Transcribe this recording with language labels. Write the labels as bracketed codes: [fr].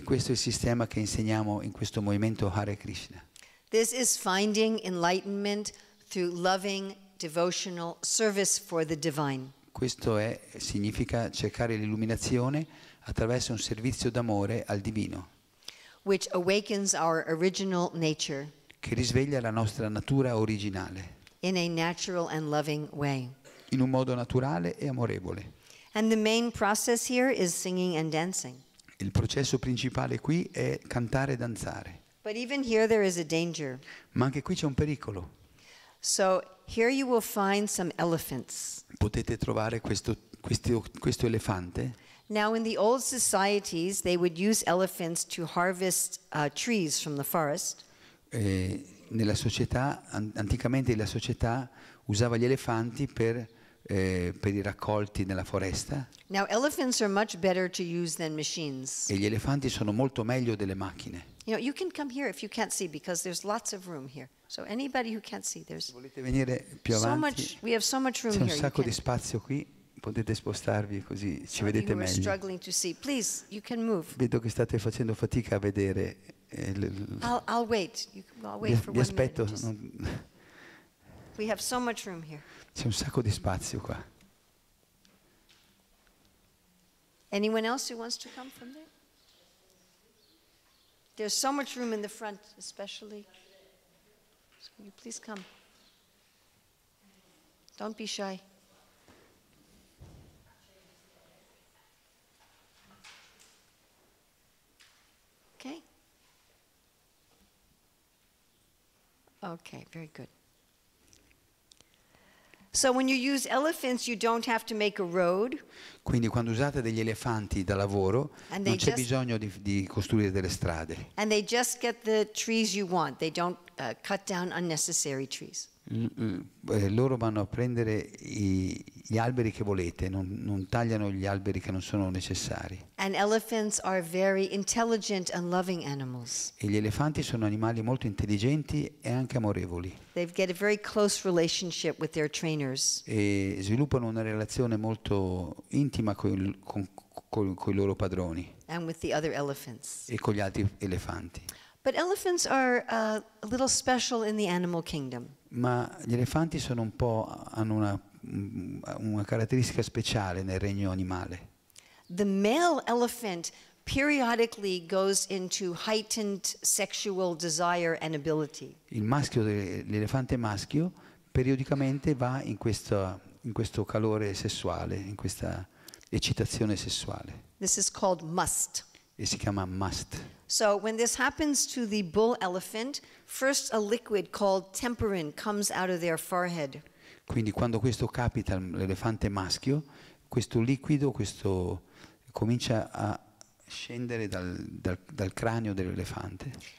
[it] E questo è il sistema che insegniamo in questo movimento Hare Krishna. [en] This is finding enlightenment through loving devotional service for the divine. [it] Questo significa cercare l'illuminazione attraverso un servizio d'amore al divino. [en] Which awakens our original nature. [it] Che risveglia la nostra natura originale. [en] In a natural and loving way. [it] In un modo naturale e amorevole. [en] And the main process here is singing and dancing. [it] Il processo principale qui è cantare e danzare. [en] But even here there is a danger. [it] Ma anche qui c'è un pericolo. [en] So here you will find some elephants. [it] Potete trovare questo elefante. [en] Now in the old societies they would use elephants to harvest trees from the forest. [it] Nella società anticamente la società usava gli elefanti per i raccolti nella foresta. [en] Now elephants are much better to use than machines. [it] E gli elefanti sono molto meglio delle macchine. [en] You know, you can come here if you can't see because there's lots of room here. So anybody who can't see, there's. [it] Se volete venire più avanti. [en] So much, we have so much room here. [it] C'è un sacco di spazio qui. Potete spostarvi così ci vedete meglio. [en] You're struggling to see. Please, you can move. [it] Vedo che state facendo fatica a vedere. [en] I'll wait. [it] Vi aspetto. [en] We have so much room here. [it] C'è un sacco di spazio qua. [en] Anyone else who wants to come from there? There's so much room in the front, especially. So can you please come? Don't be shy. Okay. Okay, very good. So when you use elephants, you don't have to make a road. [it] Quindi quando usate degli elefanti da lavoro, non c'è bisogno di costruire delle strade. [en] And they just get the trees you want. They don't cut down unnecessary trees. [it] Loro vanno a prendere gli alberi che volete, non tagliano gli alberi che non sono necessari. [en] And elephants are very intelligent and loving animals. [it] E gli elefanti sono animali molto intelligenti e anche amorevoli. [en] They get a very close relationship with their trainers. [it] E sviluppano una relazione molto intima con i loro padroni. [en] And with the other elephants. [it] E con gli altri elefanti. [en] But elephants are a little special in the animal kingdom. [it] Ma gli elefanti sono un po' hanno una caratteristica speciale nel regno animale. [en] The male elephant periodically goes into heightened sexual desire and ability. [it] Il maschio dell'elefante maschio periodicamente va in questo calore sessuale, in questa eccitazione sessuale. [en] This is called must. [it] E si chiama must. [en] So when this happens to the bull elephant, first a liquid called temperin comes out of their forehead. [it] Quindi quando questo capita all'elefante maschio, questo liquido, questo comincia a scendere dal cranio dell'elefante.